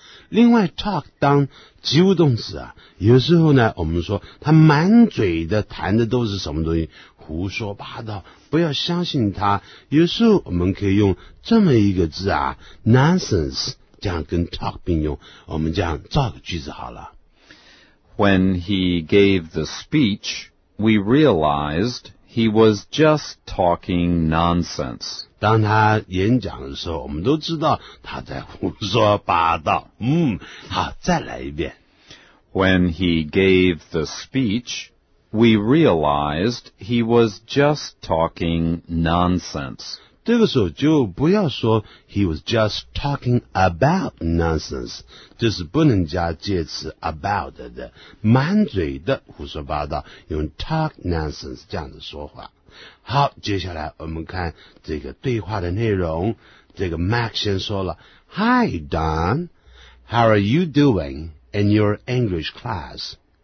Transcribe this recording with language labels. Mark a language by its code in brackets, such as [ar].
[zh] 另外 talk 当及物动词啊有时候呢我们说他满嘴的谈的都是什么东西胡说八道不要相信他有时候我们可以用这么一个字啊 nonsense 这样跟 talk 并用我们这样造个句子好了 [en] When he gave the speech we realized he was just talking nonsense [zh] 当他演讲的时候我们都知道他在胡说八道好再来一遍 [en] When he gave the speech we realized he was just talking nonsense [zh] 这个时候就不要说 [en] he was just talking about nonsense [zh] 就是不能加介词 about 的满嘴的胡说八道用 talk nonsense 这样的说话好接下来我们看这个对话的内容这个 Max 先说了 [en] Hi Don How are you doing in your English class?